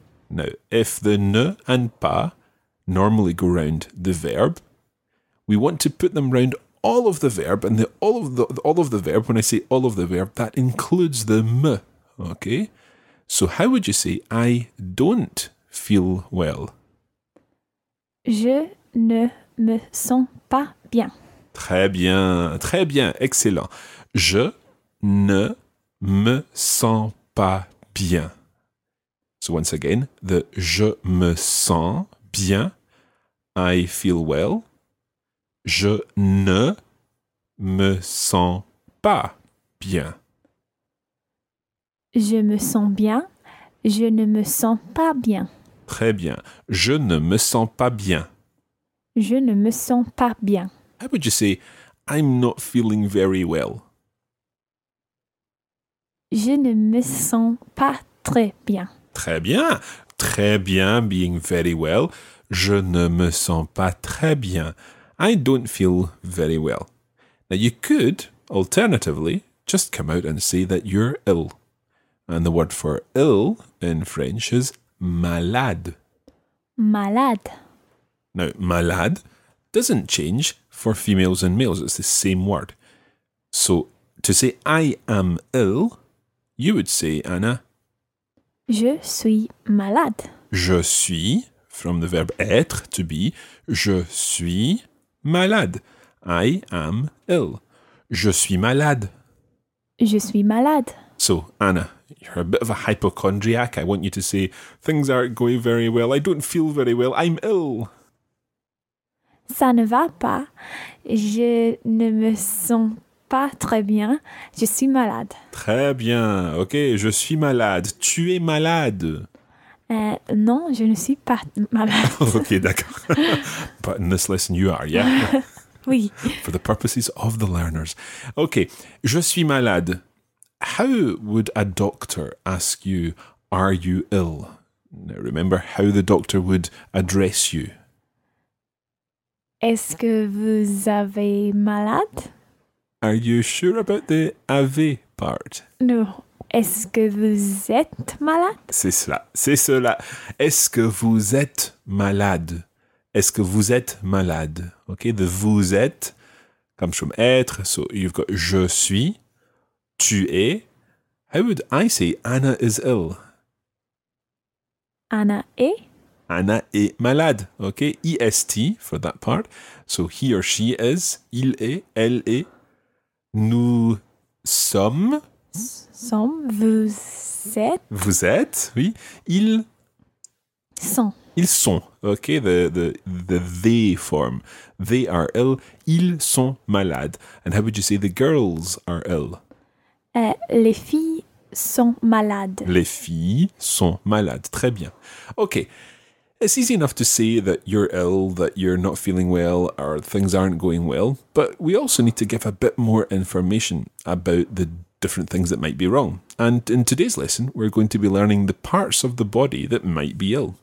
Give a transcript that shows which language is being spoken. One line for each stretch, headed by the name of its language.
English: Now, if the ne and pas normally go round the verb, we want to put them round all of the verb, and all of the verb, when I say all of the verb, that includes the me, okay? So how would you say, I don't feel well?
French: Je ne me sens pas bien. Très bien, très bien, excellent. Je ne me sens pas bien.
English: So once again, the
French: je me sens bien.
English: I feel well.
French: Je ne me sens pas bien. Je me sens bien. Je ne me sens pas bien. Très bien. Je ne me sens pas bien. Je ne me sens pas bien.
English: How would you say, I'm not feeling very well?
French: Je ne me sens pas très bien. Très bien. Très bien,
English: being very well.
French: Je ne me sens pas très bien.
English: I don't feel very well. Now, you could, alternatively, just come out and say that you're ill. And the word for ill in French is malade.
French: Malade.
English: Now, malade doesn't change for females and males. It's the same word. So, to say I am ill, you would say, Anna,
French: je suis malade. Je suis,
English: from the verb
French: être,
English: to be,
French: je suis malade.
English: I am ill.
French: Je suis malade. Je suis malade.
English: So, Anna, you're a bit of a hypochondriac. I want you to say, things aren't going very well. I don't feel very well. I'm ill.
French: Ça ne va pas. Je ne me sens pas très bien. Je suis malade. Très bien. OK, je suis malade. Tu es malade. Non, je ne suis pas malade. OK, d'accord.
English: But in this lesson, you are, yeah?
French: Oui.
English: For the purposes of the learners. OK,
French: je suis malade.
English: How would a doctor ask you, are you ill? Now remember how the doctor would address you.
French: Est-ce que vous avez malade?
English: Are you sure about the avez part? No.
French: Est-ce que vous êtes malade? C'est cela. C'est cela. Est-ce que vous êtes malade? Est-ce que vous êtes malade?
English: Okay, the
French: vous êtes
English: comes from être. So you've got
French: je suis. Tu es.
English: How would I say Anna is ill?
French: Anna est. Anna est malade.
English: OK, EST for that part. So he or she is,
French: il est, elle est. Nous sommes. Sommes, vous êtes. Vous êtes, oui. Ils sont. Ils sont.
English: OK, the they form. They are ill.
French: Ils sont malades.
English: And how would you say the girls are ill?
French: Les filles sont malades. Les filles sont malades. Très bien. OK.
English: It's easy enough to say that you're ill, that you're not feeling well, or things aren't going well, but we also need to give a bit more information about the different things that might be wrong. And in today's lesson, we're going to be learning the parts of the body that might be ill.